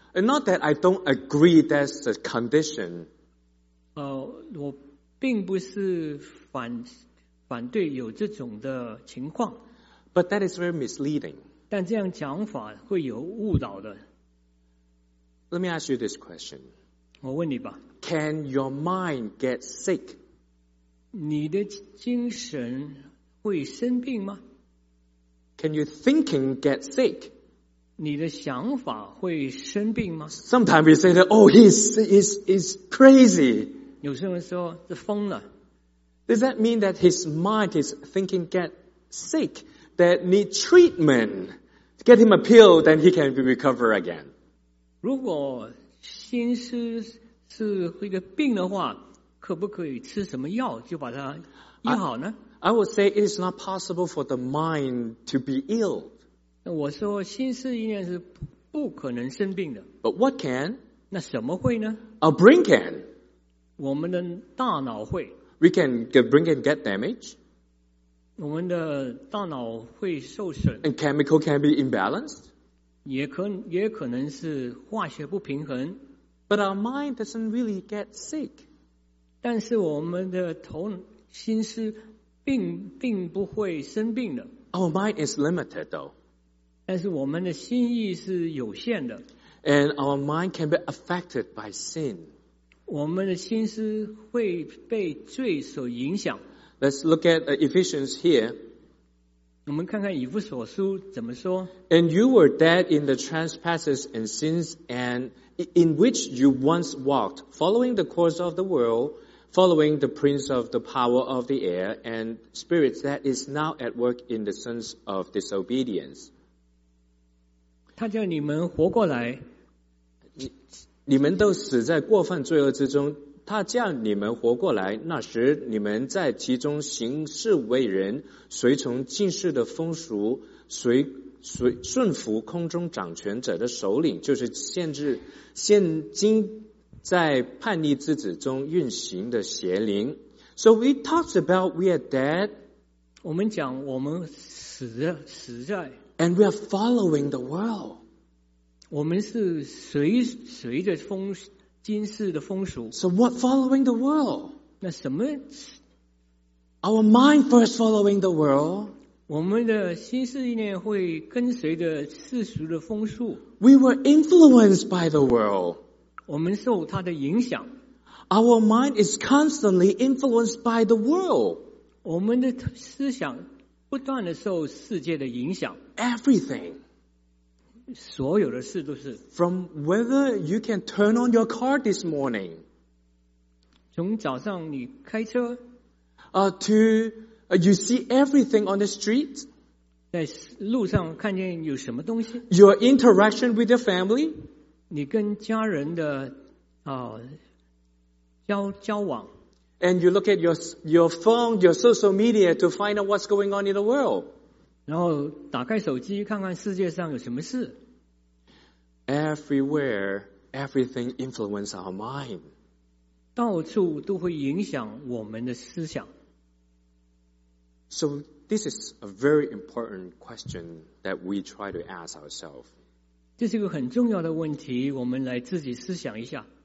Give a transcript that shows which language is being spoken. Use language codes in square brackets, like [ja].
[en] And not that I don't agree that's the condition. [zh] 我并不是反对有这种的情况。 [en] But that is very misleading. [zh] 但这样讲法会有误导的。 [en] Let me ask you this question. [zh] 我问你吧。 [en] Can your mind get sick? [zh] 你的精神会生病吗？ [en] Can your thinking get sick? [zh] 你的想法会生病吗？ [en] Sometimes we say that, oh, he's crazy. [zh] 有些人说是疯了。 [en] Does that mean that his mind, his thinking get sick, that need treatment, to get him a pill, then he can recover again? [zh] 如果心思是一个病的话，可不可以吃什么药就把它医好呢？ [en] I would say it is not possible for the mind to be ill. [zh] 我说心思意念是不可能生病的。 [en] But what can? [zh] 那什么会呢？ [en] A brain can. [zh] 我们的大脑会。 [en] We can bring and get damage. [zh] 我们的大脑会受损。 [en] And chemical can be imbalanced. [zh] 也可能是化学不平衡。 [en] But our mind doesn't really get sick. [zh] 但是我们的头心思并不会生病的。 [en] Our mind is limited, though. [zh] 但是我们的心意是有限的。 [en] And our mind can be affected by sin. [zh] 我们的心思会被罪所影响。 [en] Let's look at Ephesians here. [zh] 我们看看以弗所书怎么说。 [en] And you were dead in the trespasses and sins and in which you once walked, following the course of the world, following the prince of the power of the air and spirits that is now at work in the sons of disobedience. [zh] 他叫你们活过来。你们都死在过犯罪恶之中，他叫你们活过来，那时你们在其中行事为人，随从今世的风俗，随顺服空中掌权者的首领，就是现今在叛逆之子中运行的邪灵。 [en] So we talked about we are dead. [zh] 我们讲我们死在。 [en] And we are following the world. [zh] 我们是随着风俗。今世的风俗。 [en] So what following the world? [zh] 那什么？ [en] Our mind first following the world. [zh] 我们的心思意念会跟随着世俗的风俗。 [en] We were influenced by the world. [zh] 我们受它的影响。 [en] Our mind is constantly influenced by the world. [zh] 我们的思想不断的受世界的影响。 [en] Everything. [zh] 所有的事都是 [en] from whether you can turn on your car this morning, [zh] 从早上你开车 [en] to you see everything on the street, [zh] 在路上看见有什么东西 [en] your interaction with your family, [zh] 你跟家人的交往 [en] and you look at your phone, your social media to find out what's going on in the world. [zh] 然后打开手机看看世界上有什么事。 [en] Everywhere, everything influences our mind. [zh] 到处都会影响我们的思想。 [en] So this is a very important question that we try to ask ourselves. [zh] 这是一个很重要的问题，我们来自己思想一下。